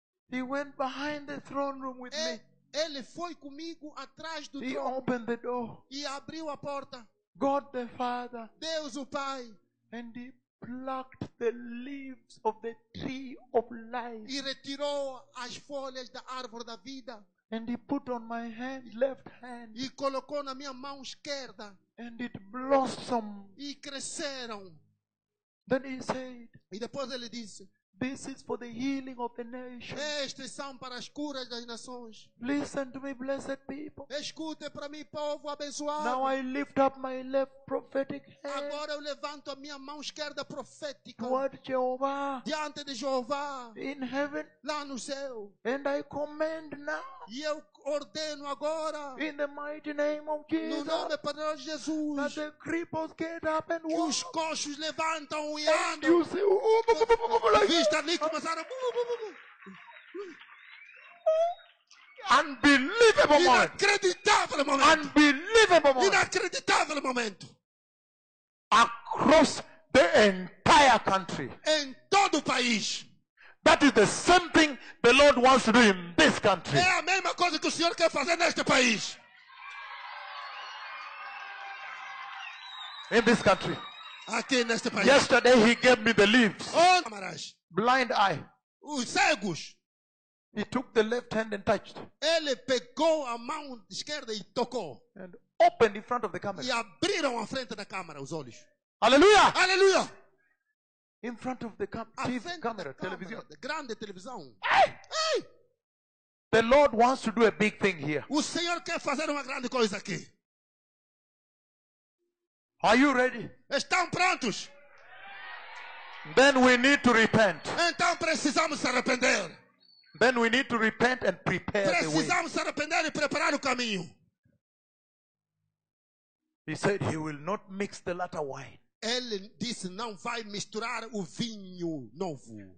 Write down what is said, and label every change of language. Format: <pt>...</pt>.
<en>He went behind the throne room with me.</en> <pt>Ele foi comigo atrás do</pt> <en>he</en> <pt>trono.</pt> <en>He opened the door.</en> <pt>E abriu a porta.</pt> <en>God the Father.</en> <pt>Deus o Pai.</pt> <en>And he plucked the leaves of the tree of life.</en> <pt>E retirou as folhas da árvore da vida.</pt> <en>And he put on my hand, left hand.</en> <pt>E colocou na minha mão esquerda.</pt> <en>And it blossomed.</en> <pt>E cresceram.</pt> <en>Then he said.</en> <pt>E depois ele disse.</pt> <en>This is for the healing of the nations.</en> <pt>Estes são para as curas das nações.</pt> <en>Listen to me, blessed people.</en> <pt>Escute para mim, povo abençoado.</pt> <en>Now I lift up my left prophetic hand.</en> <pt>Agora eu levanto a minha mão esquerda profética.</pt> <en>Toward Jehovah.</en> <pt>Diante de Jeová.</pt> <en>In heaven.</en> <pt>Lá no céu.</pt> <en>And I command now.</en> <pt>E eu ordeno agora.</pt> <en>In the mighty name of Jesus.</en> <pt>No nome poderoso de Jesus.</pt> <en>That the cripples get up and walk.</en> <pt>Que os coxos levantam e andam.</pt> <en>You see,</en> <pt>vista ali começaram.</pt> <en>Unbelievable moment.</en> <pt>Inacreditável momento.</pt> <en>Unbelievable moment.</en> <pt>Inacreditável momento.</pt> <en>Across the entire country.</en> <pt>Em todo o país.</pt> <en>That is the same thing the Lord wants to do in this country.</en> <pt>É a mesma coisa que o Senhor quer fazer neste país.</pt> <en>In this country.</en> <pt>Aqui neste país.</pt> <en>Yesterday he gave me the leaves. Oh, blind eye.</en> <pt>Os cegos.</pt> <en>He took the left hand and touched.</en> <pt>Ele pegou a mão esquerda e tocou.</pt> <en>And opened in front of the camera.</en> <pt>E abriram a frente da câmera os olhos. Aleluia! Aleluia!</pt> <en>In front of the camera, televisão.</en> <pt>Grande televisão. Hey! Hey!</pt> <en>The Lord wants to do a big thing here.</en> <pt>O Senhor quer fazer uma grande coisa aqui.</pt> <en>Are you ready?</en> <pt>Estão prontos?</pt> <en>Then we need to repent.</en> <pt>Então precisamos arrepender.</pt> <en>Then we need to repent and prepare the way.</en> <pt>Precisamos arrepender e preparar o caminho.</pt> <en>He said he will not mix the latter wine.</en> <pt>Ele disse não vai misturar o vinho novo.</pt>